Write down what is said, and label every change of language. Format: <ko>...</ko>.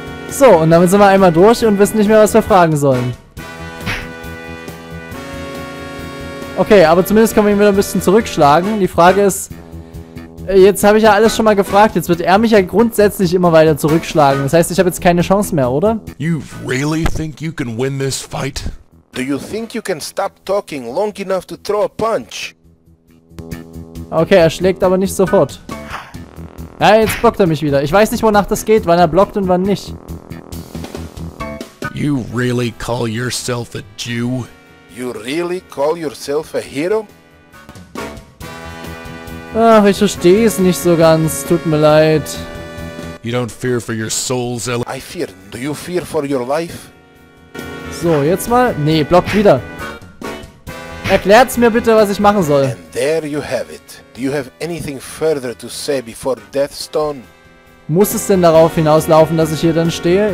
<de>So, und damit sind wir einmal durch und wissen nicht mehr, was wir fragen sollen. Okay, aber zumindest können wir ihn wieder ein bisschen zurückschlagen. Die Frage ist, jetzt habe ich ja alles schon mal gefragt, jetzt wird er mich ja grundsätzlich immer weiter zurückschlagen. Das heißt, ich habe jetzt keine Chance mehr, oder?</de> <en>You really think you can win this fight? Do you think you can stop talking long enough to throw a punch?</en> <de>Okay, er schlägt aber nicht sofort. Ja, jetzt blockt er mich wieder. Ich weiß nicht, wonach das geht, wann er blockt und wann nicht.</de> <en>You really call yourself a Jew? You really call yourself a hero?</en> <de>Ach, ich verstehe es nicht so ganz. Tut mir leid.</de> <en>You don't fear for your soul, Zell. I fear. Do you fear for your life?</en> <de>So, jetzt mal. Nee, blockt wieder. Erklärt's mir bitte, was ich machen soll.</de> <en>And there you have it. Do you have anything further to say before Deathstone?</en> <de>Muss es denn darauf hinauslaufen, dass ich hier dann stehe?</de>